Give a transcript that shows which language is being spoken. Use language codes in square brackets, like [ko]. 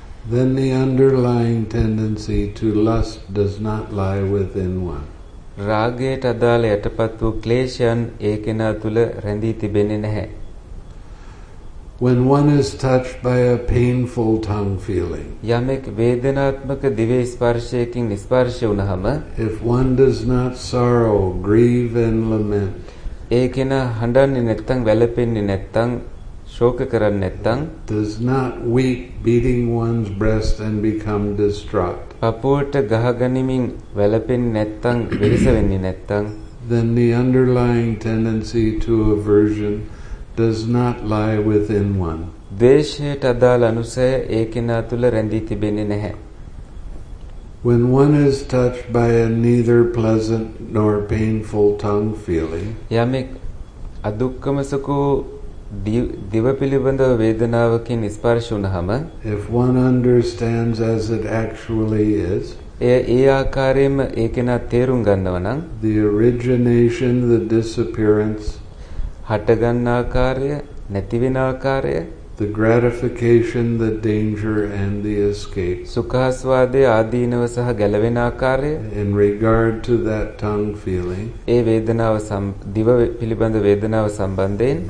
[en] then the underlying tendency to lust does not lie within one [si] රාගයට අදාළ යටපත් වූ ක්ලේශයන් ඒකෙනා තුල රැඳී තිබෙන්නේ නැහැ. [en] When one is touched by a painful tongue feeling. [si] යමෙක් වේදනාත්මක දිව ස්පර්ශයකින් ස්පර්ශ වුණහම [en] if one does not sorrow, grieve and lament. [si] ඒකෙනා හඬන්නේ නැත්තම් වැළපෙන්නේ නැත්තම් ශෝක කරන්නේ නැත්තම් [en] does not weep beating one's breast and become distraught. [si] අපෝට ගහගනිමින් වැළපෙන්නේ නැත්තම් වෙහස වෙන්නේ නැත්තම් [en] then the underlying tendency to aversion does not lie within one. [si] දේශයට අදාළ අනුසය ඒකිනා තුල රැඳී තිබෙන්නේ නැහැ. [en] When one is touched by a neither pleasant nor painful tongue feeling [si] යමෙක් අදුක්කමසකෝ දිව පිළිබඳ වේදනාවකින් ස්පර්ශ වුණහම [en] if one understands as it actually is [si] ඒ ආකාරයෙන්ම ඒකena තේරුම් ගන්නවා නම් [en] the origination the disappearance [si] හට ගන්න ආකාරය නැති වෙන ආකාරය [en] the gratification the danger and the escape [si] සුඛාස්වාදයේ ආදීනව සහ ගැලවෙන ආකාරය [en] in regard to that tongue feeling [si] ඒ වේදනාව දිව පිළිබඳ වේදනාව සම්බන්ධයෙන්